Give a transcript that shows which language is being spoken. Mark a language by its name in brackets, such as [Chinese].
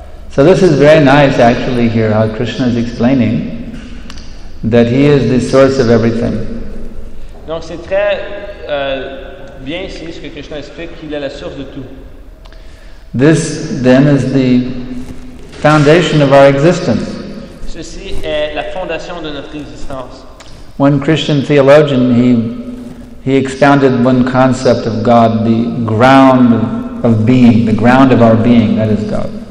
[English] So this is very nice actually here how Krishna is explaining that he is the source of everything. [French] Donc c'est très bien ici ce que Krishna explique qu'il est la source de tout. [English] This then is the foundation of our existence. [French] Ceci est la fondation de notre existence. [English] One Christian theologian he expounded one concept of God, the ground of being, the ground of our being, that is God.